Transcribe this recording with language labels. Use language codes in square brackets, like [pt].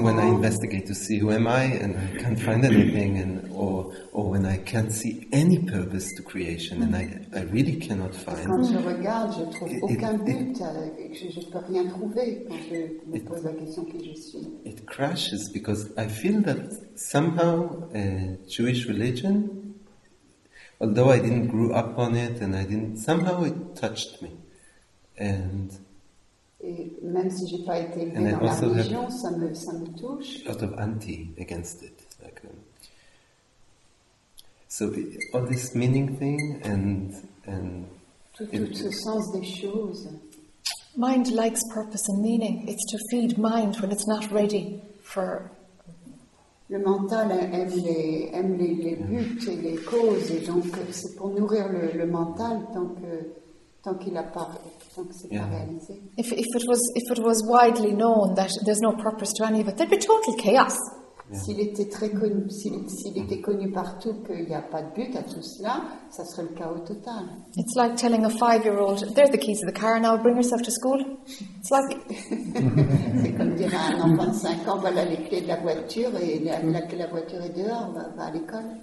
[en] And when I investigate to see who am I and I can't find anything, and or when I can't see any purpose to creation and I really cannot find. [fr] Quand je regarde, je trouve aucun but. Je ne peux rien trouver quand je me pose la question qui je suis. [en] It crashes because I feel that somehow Jewish religion, although I didn't grow up on it and I didn't, somehow it touched me. And [fr] et même si j'ai pas été élevée dans la religion, ça me touche. [en] A lot of anti against it. Like, so all this meaning thing and [fr] tout ce sens des choses. [en] Mind likes purpose and meaning. It's to feed mind when it's not ready for. [fr] Le mental aime les buts et les causes, et donc c'est pour nourrir le mental tant qu'il n'a pas. [en] Yeah. If it was widely known that there's no purpose to any of it, there'd be total chaos. Yeah. [fr] S'il était très connu, s'il était connu partout qu'il n'y a pas de but à tout cela, ça serait le chaos total. [en] It's like telling a five-year-old, "There's the keys to the car, now bring yourself to school." It's like. [fr] C'est comme dire à un enfant de 5 ans, voilà les clés de la voiture et la voiture est dehors, va à l'école.